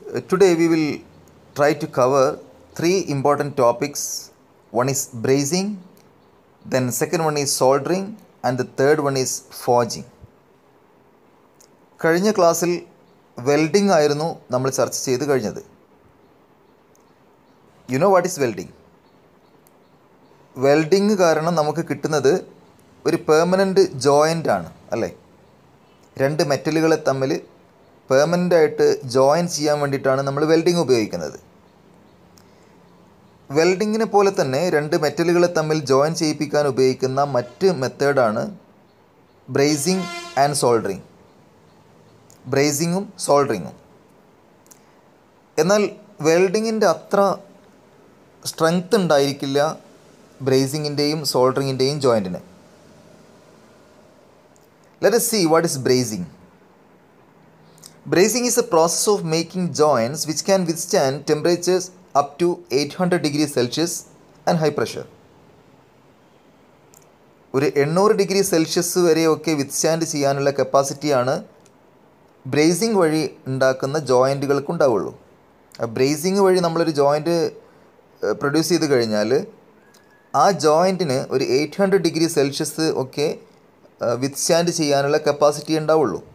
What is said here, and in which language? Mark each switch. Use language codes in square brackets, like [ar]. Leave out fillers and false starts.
[en] Today we will try to cover three important topics. One is brazing, then second one is soldering, and the third one is forging. [ml] കഴിഞ്ഞ ക്ലാസ്സിൽ welding ആയിരുന്നു നമ്മൾ ചർച്ച ചെയ്ത് കഴിഞ്ഞത്. [en] You know what is welding? [ml] Welding കാരണം നമുക്ക് കിട്ടുന്നത് ഒരു പെർമനൻ്റ് ജോയിൻ്റ് ആണ് അല്ലേ. രണ്ട് മെറ്റലുകളെ തമ്മിൽ പെർമനൻ്റായിട്ട് ജോയിൻ ചെയ്യാൻ വേണ്ടിയിട്ടാണ് നമ്മൾ വെൽഡിംഗ് ഉപയോഗിക്കുന്നത്. വെൽഡിങ്ങിനെ പോലെ തന്നെ രണ്ട് മെറ്റലുകളെ തമ്മിൽ ജോയിൻ ചെയ്യിപ്പിക്കാൻ ഉപയോഗിക്കുന്ന മറ്റ് മെത്തേഡാണ് ബ്രേസിംഗ് ആൻഡ് സോൾഡറിങ്. ബ്രേസിങ്ങും സോൾഡറിങ്ങും. എന്നാൽ വെൽഡിങ്ങിൻ്റെ അത്ര സ്ട്രെങ്ത് ഉണ്ടായിരിക്കില്ല ബ്രേസിങ്ങിൻ്റെയും സോൾഡറിങ്ങിൻ്റെയും ജോയിൻറ്റിന്. [en] Let see what is brazing. Brazing is a process of making joints which can withstand temperatures up to 800 degree Celsius and high pressure. [ml] ഒരു 800 degree Celsius വരെയൊക്കെ വിത്ത്സ്റ്റാൻഡ് ചെയ്യാനുള്ള കപ്പാസിറ്റിയാണ് ബ്രേസിംഗ് വഴി ഉണ്ടാക്കുന്ന ജോയിൻറ്റുകൾക്ക് ഉണ്ടാവുള്ളൂ. Bracing വഴി നമ്മളൊരു ജോയിൻറ്റ് പ്രൊഡ്യൂസ് ചെയ്ത് കഴിഞ്ഞാൽ ആ ജോയിൻറ്റിന് ഒരു 800 ഡിഗ്രി സെൽഷ്യസ് ഒക്കെ വിത്ത്സ്റ്റാൻഡ് ചെയ്യാനുള്ള കപ്പാസിറ്റി ഉണ്ടാവുള്ളൂ.